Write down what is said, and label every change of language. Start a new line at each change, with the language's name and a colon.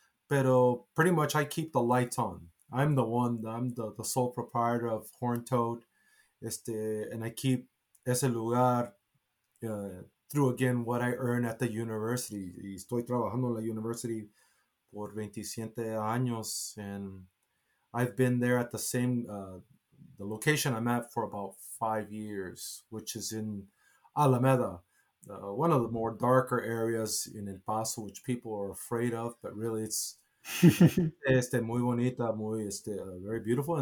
English: Pero pretty much I keep the lights on. I'm the sole proprietor of Horn Toad. And I keep
Spanish: ese lugar
English: through, again, what I earn at the university.
Spanish: Y estoy trabajando en la university por 27 años.
English: And I've been there at the same, the location I'm at for about 5 years, which is in Alameda, one of the more darker areas in El Paso, which people are afraid of. But really, it's
Spanish: muy bonita, muy
English: very beautiful.